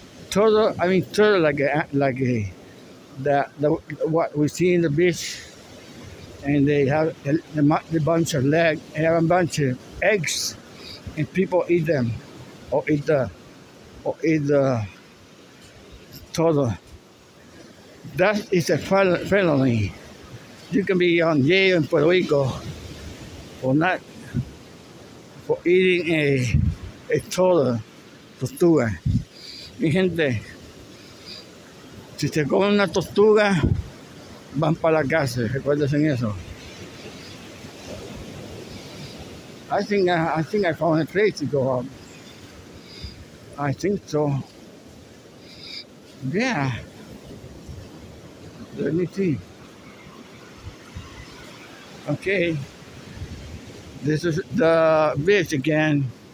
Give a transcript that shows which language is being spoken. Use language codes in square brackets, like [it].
[en] Turtle like what we see in the beach, and they have a bunch of legs, they have a bunch of eggs, and people eat them, or eat the turtle. That is a felony. You can be on jail in Puerto Rico for not for eating a turtle, tortuga. [es] Mi gente, si se comen una tortuga, van para la cárcel. Recuerden eso. [en] I think I found a place to go up. I think so. Yeah. Let me see. Okay. This is the beach again.